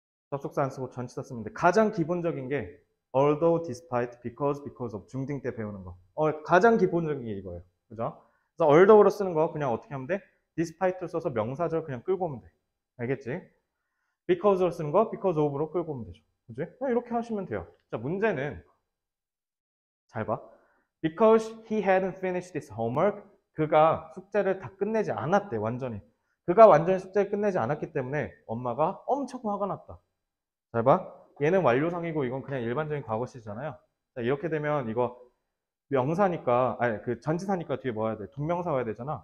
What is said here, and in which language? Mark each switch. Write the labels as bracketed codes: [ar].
[ko] 접속사 안 쓰고 전치사 쓰면 돼. 가장 기본적인 게 although, despite, because of 중딩 때 배우는 거. 가장 기본적인 게 이거예요. 그죠? 그래서 although로 쓰는 거 그냥 어떻게 하면 돼? despite로 써서 명사절 그냥 끌고 오면 돼. 알겠지? because를 쓰는 거, because of로 끌고 오면 되죠. 그지? 이렇게 하시면 돼요. 자, 문제는, 잘 봐. [en] because he hadn't finished his homework. [ko] 그가 숙제를 다 끝내지 않았대, 완전히. 그가 완전히 숙제를 끝내지 않았기 때문에 엄마가 엄청 화가 났다. 잘 봐. 얘는 완료상이고 이건 그냥 일반적인 과거시잖아요. 자, 이렇게 되면 이거 명사니까, 아니, 그 전치사니까 뒤에 뭐 와야 돼? 동명사 와야 되잖아.